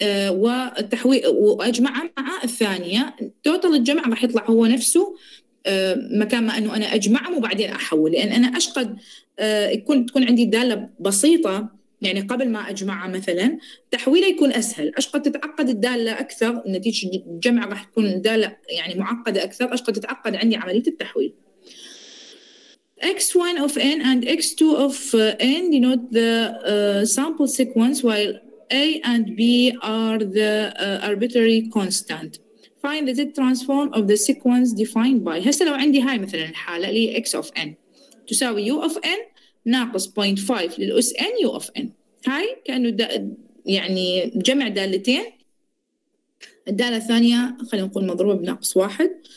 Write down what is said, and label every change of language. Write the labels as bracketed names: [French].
[Arabic] والتحويل واجمعها مع الثانيه، توتال الجمع راح يطلع هو نفسه مكان ما انه انا اجمعهم وبعدين احول، لان انا اشقد يكون تكون عندي داله بسيطه يعني قبل ما اجمعها مثلا تحويله يكون اسهل، اشقد تتعقد الداله اكثر نتيجه الجمع راح تكون داله يعني معقده اكثر، اشقد تتعقد عندي عمليه التحويل. [English] X1 of n and X2 of n denote the sample sequence while A and B are the arbitrary constant. Find the Z transform of the sequence defined by. [Arabic] هسه لو عندي هاي مثلا الحالة اللي هي X of n تساوي U of n ناقص 0.5 للأس n U of n. هاي كأنه يعني جمع دالتين، الدالة الثانية خلينا نقول مضروبة بناقص واحد.